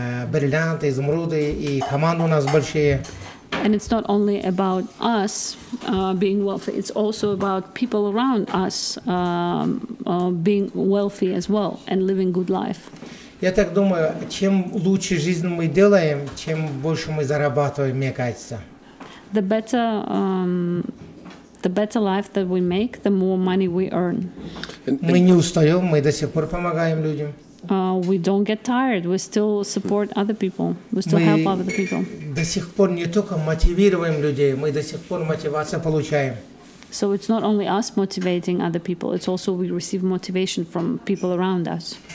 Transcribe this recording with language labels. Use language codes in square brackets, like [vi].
[ru] Бриллианты, изумруды, и команды у нас большие. [en] And it's not only about us being wealthy, it's also about people around us being wealthy as well and living good life. [ru] Я так думаю, чем лучше жизнь мы делаем, чем больше мы зарабатываем, мне кажется. [en] The better life that we make, the more money we earn. [ru] Мы не устаем, мы до сих пор помогаем людям. [en] We don't get tired. We still support other people. We still help other people. [ru] До сих пор не только мотивируем людей, мы до сих пор мотивацию получаем. [en] So it's not only us motivating other people, it's also we receive motivation from people around us.